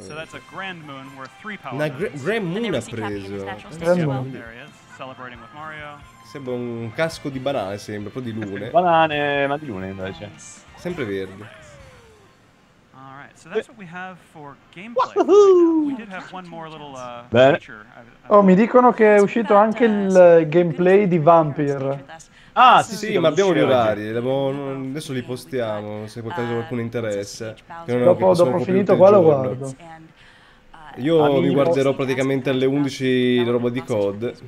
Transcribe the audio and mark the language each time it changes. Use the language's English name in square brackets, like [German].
[English] So that's a Grand Moon worth 3 power. [Italian] Grand Moon ha preso. [English] Grand Moon. Celebrating with Mario. [Italian] Sembra un casco di banane, sembra, proprio di lune. Banane, ma di lune invece. Sempre verde. [English] All right. So that's what we have for gameplay. We did have one more little feature. [Italian] Oh, mi dicono che è uscito anche il gameplay di Vampyr. Ah, sì, ma abbiamo gli orari, adesso li postiamo, se per caso qualcuno interessa. Dopo finito qua lo guardo. Io mi guarderò praticamente alle 11 la roba di COD.